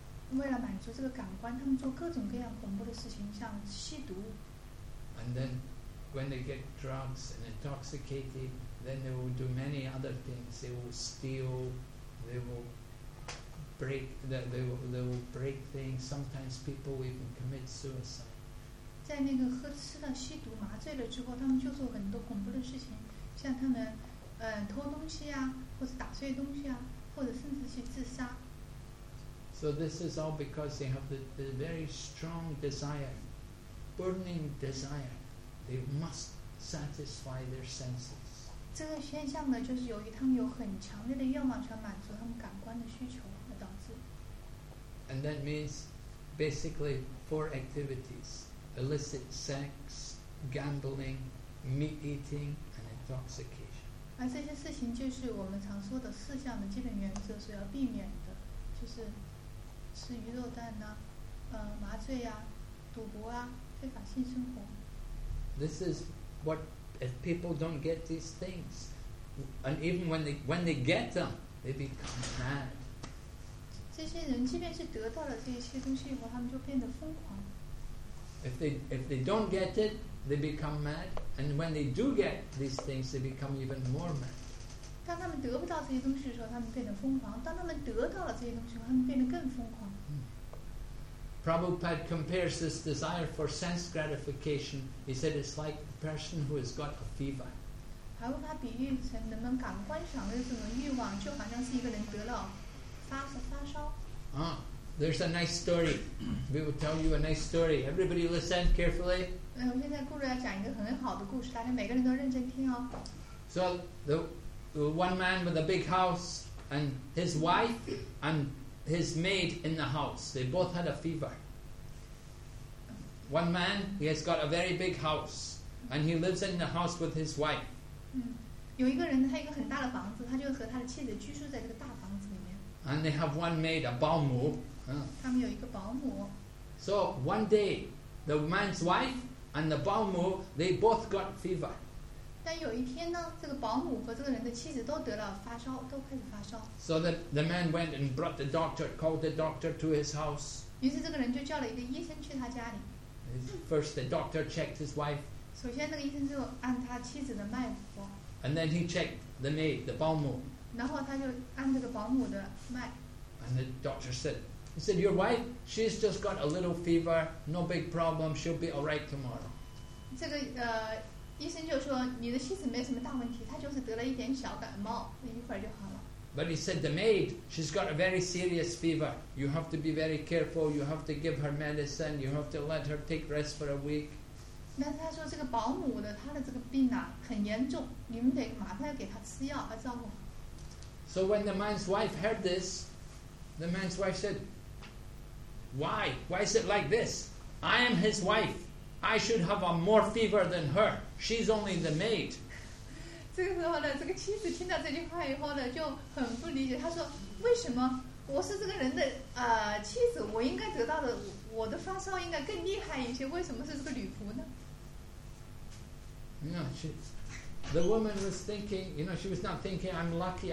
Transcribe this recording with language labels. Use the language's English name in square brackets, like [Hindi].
[English] And then when they get drugs and intoxicated, then they will do many other things. They will steal, they will break things. Sometimes people will even commit suicide. [Chinese] 在那个喝吃了吸毒麻醉了之后，他们就做很多恐怖的事情，像他们偷东西啊，或者打碎东西啊，或者甚至去自杀。 [English] So this is all because they have the very strong desire, burning desire. They must satisfy their senses. [Chinese] 这个现象呢，就是由于他们有很强烈的愿望，想满足他们感官的需求而导致。 [English] And that means basically four activities: illicit sex, gambling, meat eating, and intoxication. [Chinese] 而这些事情就是我们常说的四项的基本原则所要避免的，就是。吃鱼肉蛋呐、啊，麻醉呀、啊，赌博啊，非法性生活。 [English] This is what if people don't get these things, and even when they get them, they become mad. [Chinese] 这些人即便是得到了这些东西以后，他们就变得疯狂。 [English] If they don't get it, they become mad, and when they do get these things, they become even more mad. [Chinese] 当他们得不到这些东西的时候，他们变得疯狂；当他们得到了这些东西，他们变得更疯狂。 [English] Prabhupada compares this desire for sense gratification. He said it's like a person who has got a fever. [Chinese] 还把它比喻成人们感官上的这种欲望，就好像是一个人得了发烧。 [English] There's a nice story. We will tell you a nice story. Everybody listen carefully. [Chinese] 我现在顾着要讲一个很好的故事，大家每个人都认真听哦。 [English] So the one man with a big house and his wife and his maid in the house. They both had a fever. One man, he has got a very big house and he lives in the house with his wife. [Chinese] 有一个人他一个很大的房子，他就和他的妻子居住在这个大房子里面。 [English] And they have one maid, a 保姆。 [Chinese] 他们有一个保姆。 [English] So one day, the man's wife and the 保姆, they both got fever. [Chinese] 但有一天呢，这个保姆和这个人的妻子都得了发烧，都开始发烧。 [English] So the man went and brought the doctor, called the doctor to his house. [Chinese] 于是这个人就叫了一个医生去他家里。 [English] First, the doctor checked his wife. [Chinese] 首先那个医生就按他妻子的脉搏。 [English] And then he checked the maid, the 保姆。 [Chinese] 然后他就按这个保姆的脉。 [English] And the doctor said, he said, your wife, she's just got a little fever, no big problem, she'll be all right tomorrow. [Chinese] 这个医生就说你的妻子没什么大问题，她就是得了一点小感冒，一会儿就好了。 [English] But he said the maid, she's got a very serious fever. You have to be very careful. You have to give her medicine. You have to let her take rest for a week. [Chinese] 那他说这个保姆的她的这个病啊很严重，你们得马上要给她吃药来照顾。 [English] So when the man's wife heard this, the man's wife said, why? Why is it like this? I am his wife. I should have a more fever than her. She's only the maid. [Chinese] 这个时候呢，这个妻子听到这句话以后呢，就很不理解。她说：“为什么我是这个人的妻子？我应该得到的，我的发烧应该更厉害一些。为什么是这个女仆呢？” [English] No, she. The woman was thinking. You know, she was not thinking. I'm lucky.